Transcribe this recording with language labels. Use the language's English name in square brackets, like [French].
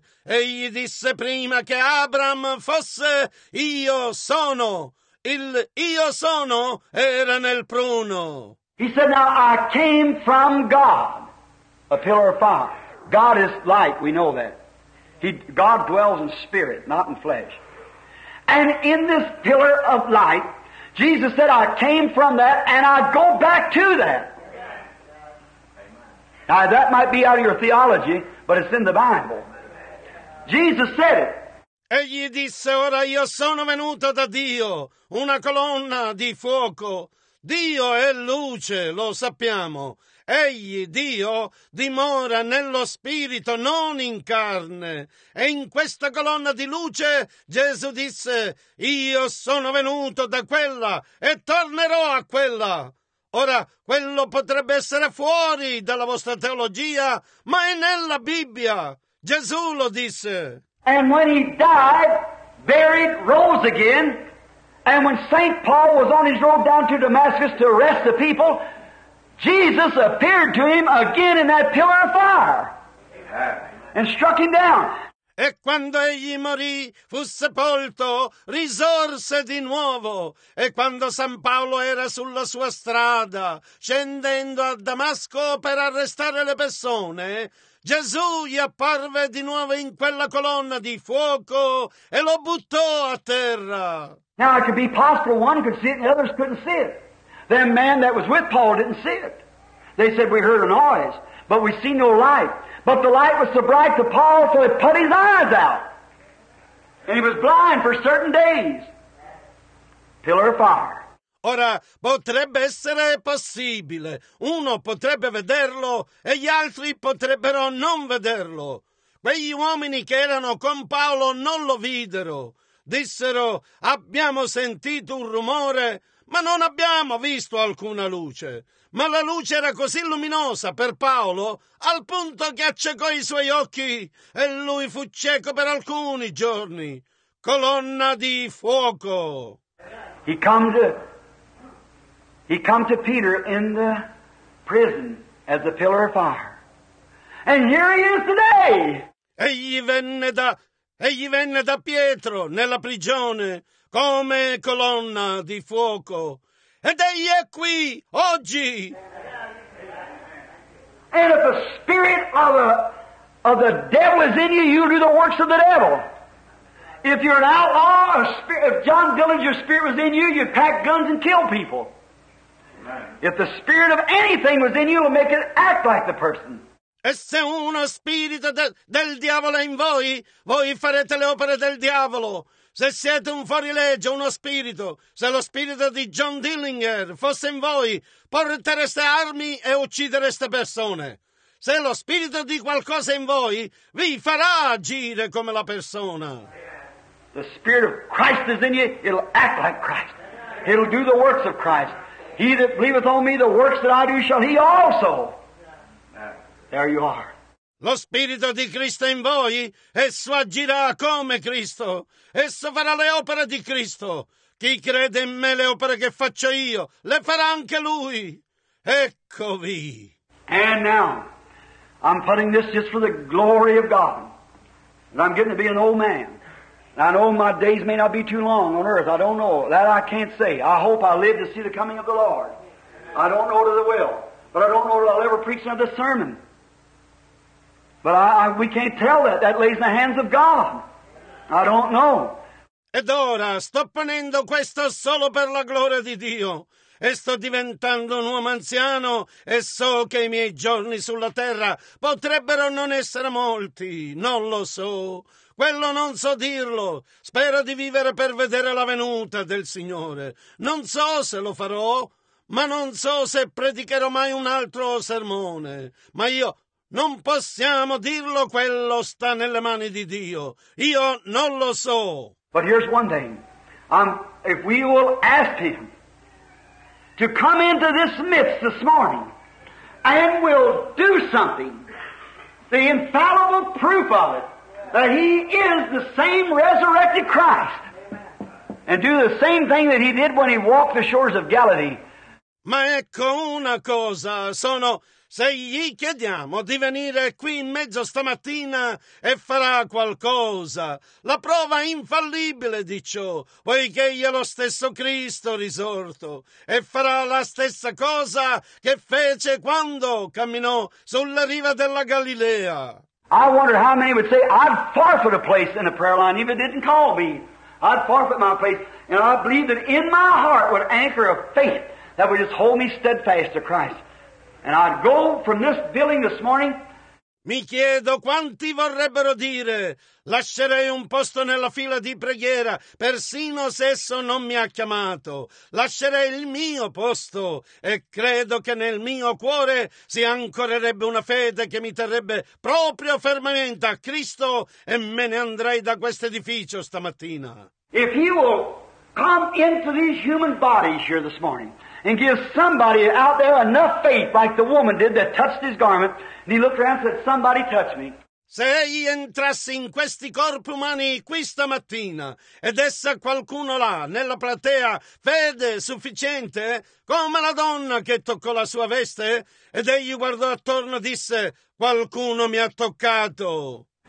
[Italian] Egli disse, prima che Abram fosse, io sono. Il io sono era nel pruno. [English] He said, now I came from God, a pillar of fire. God is light, we know that. God dwells in spirit, not in flesh. And in this pillar of light, Jesus said, I came from that and I go back to that. Now that might be out of your theology, but it's in the Bible. Jesus said it. [Italian] Egli disse, ora io sono venuto da Dio, una colonna di fuoco. Dio è luce, lo sappiamo. Egli, Dio, dimora nello spirito, non in carne. E in questa colonna di luce, Gesù disse, io sono venuto da quella e tornerò a quella. Ora, quello potrebbe essere fuori dalla vostra teologia, ma è nella Bibbia. Gesù lo disse. [English] And when he died, buried, rose again. And when St. Paul was on his road down to Damascus to arrest the people, Jesus appeared to him again in that pillar of fire and struck him down. [Italian] E quando egli morì, fu sepolto, risorse di nuovo. E quando San Paolo era sulla sua strada, scendendo a Damasco per arrestare le persone, Gesù gli apparve di nuovo in quella colonna di fuoco e lo buttò a terra. [English] Now it could be possible one could see it and the others couldn't see it. The man that was with Paul didn't see it. They said, we heard a noise, but we see no light. But the light was so bright to Paul, so it put his eyes out. And he was blind for certain days. Pillar of fire. [Italian] Ora, potrebbe essere possibile. Uno potrebbe vederlo e gli altri potrebbero non vederlo. Quegli uomini che erano con Paolo non lo videro. Dissero, abbiamo sentito un rumore, ma non abbiamo visto alcuna luce. Ma la luce era così luminosa per Paolo, al punto che accecò i suoi occhi, e lui fu cieco per alcuni giorni. Colonna di fuoco. [English] He come to Peter in the prison as a pillar of fire. And here he is today. [Italian] Egli venne da Pietro nella prigione come colonna di fuoco. Ed egli è qui oggi. [English] And if the spirit of the devil is in you, you do the works of the devil. If you're an outlaw, if John Dillinger's spirit was in you, you'd pack guns and kill people. If the spirit of anything was in you, it would make it act like the person. [Italian] E se uno spirito del diavolo è in voi, voi farete le opere del diavolo. Se siete un fuorilegge, uno spirito, se lo spirito di John Dillinger fosse in voi, portereste armi e uccidereste persone. Se lo spirito di qualcosa in voi, vi farà agire come la persona. [English] The spirit of Christ is in you, it'll act like Christ. It'll do the works of Christ. He that believeth on me, the works that I do, shall he also. There you are. [Italian] Lo spirito di Cristo in voi, esso agirà come Cristo. Esso farà le opere di Cristo. Chi crede in me, le opere che faccio io, le farà anche lui. Eccovi. [English] And now, I'm putting this just for the glory of God. And I'm getting to be an old man. I know my days may not be too long on earth. I don't know. That I can't say. I hope I live to see the coming of the Lord. I don't know that I will. But I don't know that I'll ever preach another sermon. But we can't tell that. That lays in the hands of God. I don't know. [Italian] Ed ora sto ponendo questo solo per la gloria di Dio. E sto diventando un uomo anziano e so che i miei giorni sulla terra potrebbero non essere molti. Non lo so. Quello non so dirlo. Spero di vivere per vedere la venuta del Signore. Non so se lo farò, ma non so se predicherò mai un altro sermone. Ma io non possiamo dirlo, quello sta nelle mani di Dio. Io non lo so. [English] But here's one thing. If we will ask him to come into this midst this morning and will do something, the infallible proof of it, that he is the same resurrected Christ. Amen. And do the same thing that he did when he walked the shores of Galilee. [Italian] Ma ecco una cosa, sono, se gli chiediamo di venire qui in mezzo stamattina e farà qualcosa, la prova infallibile di ciò, poiché egli è lo stesso Cristo risorto e farà la stessa cosa che fece quando camminò sulla riva della Galilea. [English] I wonder how many would say, I'd forfeit a place in a prayer line even if it didn't call me. I'd forfeit my place. And I believe that in my heart would anchor a faith that would just hold me steadfast to Christ. And I'd go from this building this morning. [Italian] Mi chiedo quanti vorrebbero dire, lascerei un posto nella fila di preghiera, persino se esso non mi ha chiamato. Lascerei il mio posto e credo che nel mio cuore si ancorerebbe una fede che mi terrebbe proprio fermamente a Cristo e me ne andrei da questo edificio stamattina. [English] If he will come into these human bodies here this morning and give somebody out there enough faith like the woman did that touched his garment, and he looked around and said, somebody touch me. [Italian] Se egli entrasse in questi corpi umani qui stamattina ed essa qualcuno là nella platea fede sufficiente come la donna che toccò la sua veste ed egli guardò attorno e disse qualcuno mi ha toccato.